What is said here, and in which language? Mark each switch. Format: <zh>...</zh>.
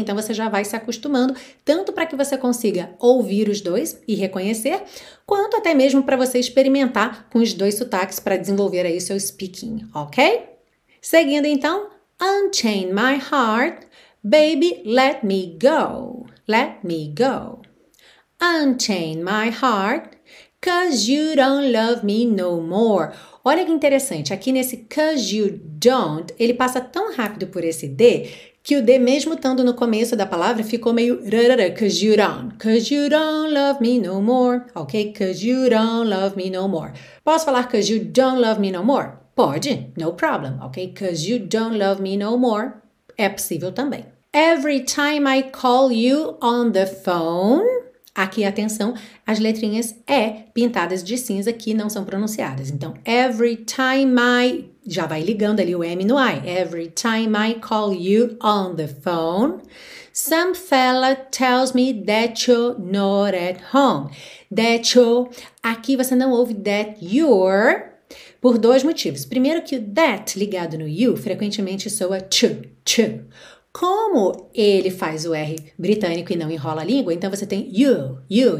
<pt>Então, você já vai se acostumando, tanto para que você consiga ouvir os dois e reconhecer, quanto até mesmo para você experimentar com os dois sotaques para desenvolver aí o seu speaking, ok? Seguindo então, Unchain My Heart.</pt> <en>Baby, let me go, let me go. Unchain my heart, cause you don't love me no more.</en> <pt>Olha que interessante, aqui nesse cause you don't, ele passa tão rápido por esse D, que o D, mesmo estando no começo da palavra, ficou meio rarara,</pt> <en>cause you don't love me no more,</en> <pt>ok?</pt> <en>Cause you don't love me no more.</en> <pt>Posso falar</pt> <en>cause you don't love me no more? Pode, no problem, ok? Cause you don't love me no more.</en> <pt>É possível também.</pt> <en>Every time I call you on the phone.</en> <pt>Aqui, atenção, as letrinhas E pintadas de cinza que não são pronunciadas. Então,</pt> <en>every time I...</en> <pt>Já vai ligando ali o M no I.</pt> <en>Every time I call you on the phone. Some fella tells me that you're not at home. That you're...</en> <pt>Aqui você não ouve</pt> <en>that you're...</en> <pt>Por dois motivos. Primeiro que o that ligado no you frequentemente soa to, to. Como ele faz o R britânico e não enrola a língua, então você tem you, you.</pt>